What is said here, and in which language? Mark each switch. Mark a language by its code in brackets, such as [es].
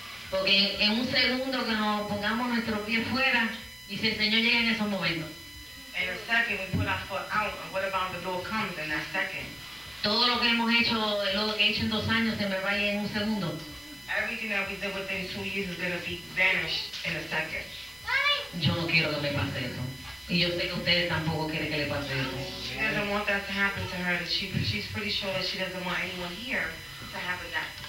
[es] Porque en un segundo que nos pongamos nuestro pie fuera, y si el Señor llega en esos momentos. [en] In a second, we put our foot out, and what about the door comes in that second? [es] Todo lo que hemos hecho, lo que he hecho en dos años, se me va a ir en un segundo. [en] Everything that we did within 2 years is going to be vanished in a second. Mommy. [es] Yo no quiero que me pase eso. Y yo sé que ustedes tampoco quieren que le pase eso. [en] She doesn't want that to happen to her. She's pretty sure that she doesn't want anyone here to happen that.